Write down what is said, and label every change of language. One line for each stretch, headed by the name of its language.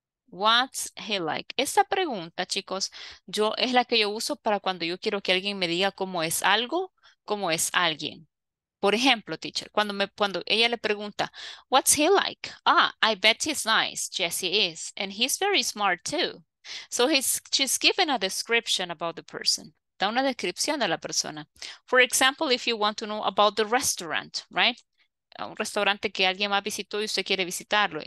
English: What's he like?
Spanish: Esta pregunta, chicos, yo es la que yo uso para cuando yo quiero que alguien me diga cómo es algo, cómo es alguien. Por ejemplo, teacher, cuando ella le pregunta,
English: what's he like? Ah, I bet he's nice. Yes, he is. And he's very smart too. So she's given a description about the person.
Spanish: Da una descripción de la persona.
English: For example, if you want to know about the restaurant, right?
Spanish: Un restaurante que alguien ha visitado y usted quiere visitarlo.